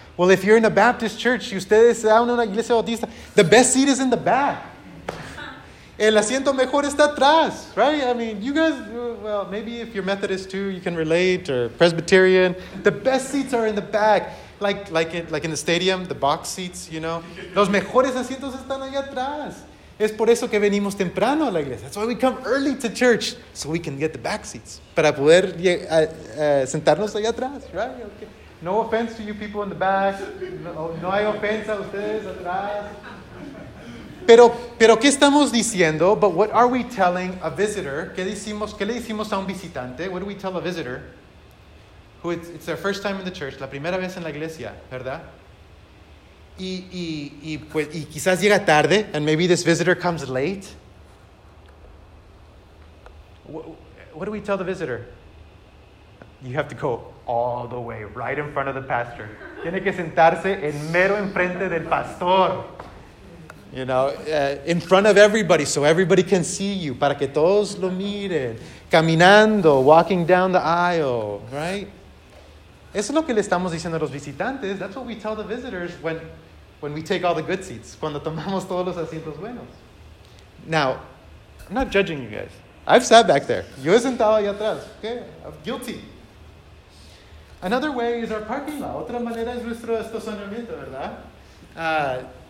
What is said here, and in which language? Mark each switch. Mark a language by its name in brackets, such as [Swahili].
[English] Well, if you're in a Baptist church, [Spanish] y ustedes están en una iglesia bautista, [English] the best seat is in the back. [Spanish] El asiento mejor está atrás, [English] right? I mean, you guys, well, maybe if you're Methodist too, you can relate, or Presbyterian. The best seats are in the back, like in the stadium, the box seats, you know. [Spanish] Los mejores asientos están allá atrás. Es por eso que venimos temprano a la iglesia. [English] That's why we come early to church, so we can get the back seats. [Spanish] Para poder sentarnos allá atrás, [English] right? Okay. No offense to you people in the back. [Spanish] No hay ofensa a ustedes atrás. Pero ¿qué estamos diciendo? [English] But what are we telling a visitor? [Spanish] ¿Qué le decimos a un visitante? [English] What do we tell a visitor? Who it's their first time in the church, [Spanish] la primera vez en la iglesia, ¿verdad? Y quizás llega tarde, [English] and maybe this visitor comes late. What do we tell the visitor? You have to go all the way, right in front of the pastor. [Spanish] Tiene que sentarse en mero enfrente del pastor. [English] You know, in front of everybody, so everybody can see you. [Spanish] Para que todos lo miren. Caminando, [English] walking down the aisle, right? [Spanish] Eso es lo que le estamos diciendo a los visitantes. [English] That's what we tell the visitors when we take all the good seats. [Spanish] Cuando tomamos todos los asientos buenos. [English] Now, I'm not judging you guys. I've sat back there. [Spanish] Yo he sentado allá atrás. [English] Okay, I'm guilty. Another way is our parking lot. [Spanish] Otra manera es nuestro estacionamiento, ¿verdad?